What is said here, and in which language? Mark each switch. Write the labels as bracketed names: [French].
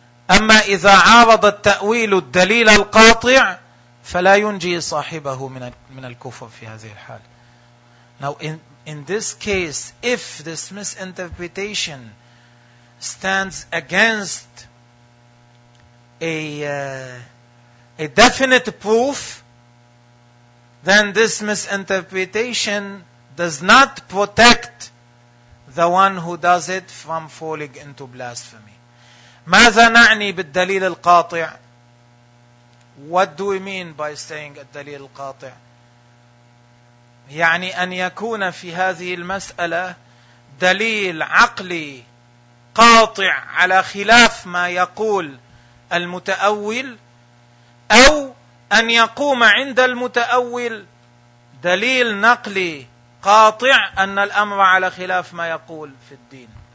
[Arabic] أما إذا عارض التأويل الدليل القاطع فلا ينجي صاحبه من الكفر في هذه الحال. [English] Now in this case, if this misinterpretation stands against a definite proof, then this misinterpretation does not protect the one who does it from falling into blasphemy. [Arabic] ماذا نعني بالدليل القاطع? [English] What do we mean by saying [Arabic] الدليل القاطع? يعني أن يكون في هذه المسألة دليل عقلي قاطع على خلاف ما يقول المتأول، أو أن يقوم عند المتأول دليل نقلي قاطع أن الأمر على خلاف ما يقول في الدين.